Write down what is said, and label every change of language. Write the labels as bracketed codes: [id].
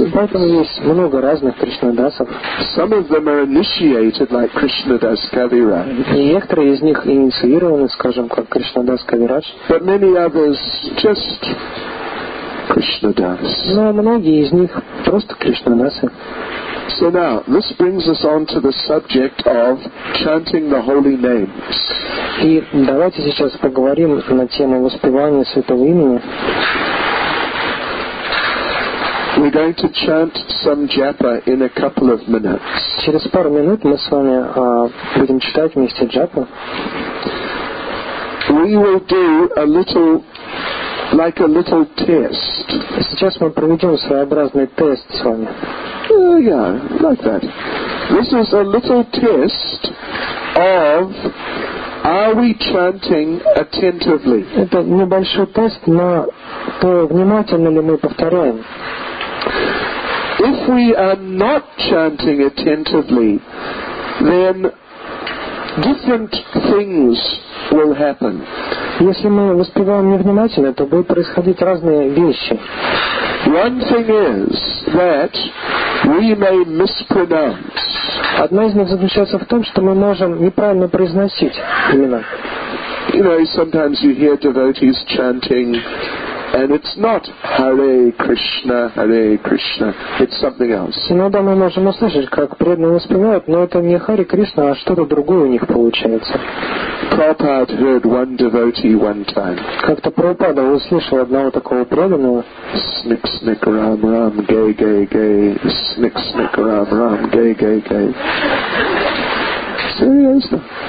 [ru] Поэтому есть много разных Кришна Дасов. [en] Some of them are initiated like Krishna Das Kaviraj. [ru] Некоторые из них инициированы, скажем, как Кришна Дас Кавирадж. [en] But many others just Krishna Das. [ru] Но многие из них просто Кришна Дасы. [en] So now, this brings us on to the subject of chanting the holy names. [ru] И давайте сейчас поговорим на тему воспевания святого имени. [en] We're going to chant some japa in a couple of minutes. [ru] Через пару минут мы с вами будем читать вместе джапу. [en] We will do a little, like a little test. [ru] Сейчас мы проведем своеобразный тест с вами. [en] Yeah, like that. This is a little test of are we chanting attentively? [ru] Это небольшой тест на то внимательно ли мы повторяем? [en] If we are not chanting attentively, then different things will happen. [ru] Если мы воспеваем невнимательно, то будут происходить разные вещи. [en] One thing is that we may mispronounce. [ru] Одно из них заключается в том, что мы можем неправильно произносить имена. [en] You know, sometimes you hear devotees chanting, and it's not Hare Krishna, Hare Krishna. It's something else. [ru] Иногда мы можем услышать, как преданные воспевают, но это не Hare Krishna, а что-то другое у них получается. [en] Prabhupada heard one devotee one time. [ru] Как-то Прабхупада услышал одного такого преданного. [en] Snick snick ram ram, gay gay gay. Snick snick ram ram, gay gay gay. Seriously.